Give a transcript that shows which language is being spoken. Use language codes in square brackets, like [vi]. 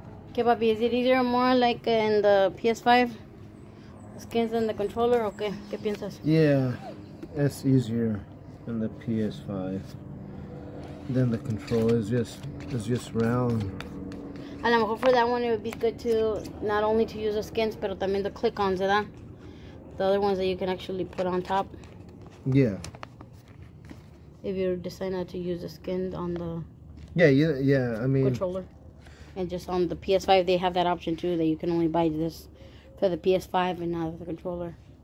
[en] Okay, papi, is it easier more like in the PS5 skins than the controller? [es] Okay, ¿qué piensas? [en] Yeah, it's easier in the PS5 than the controller. It's just round. [es] A lo mejor [en] for that one, it would be good to not only to use the skins, [es] pero también [en] the click-ons, [es] ¿verdad? [en] The other ones that you can actually put on top. Yeah. If you decide not to use the skin on the... Yeah, I mean... Controller. And just on the PS5, they have that option too, that you can only buy this for the PS5 and not the controller.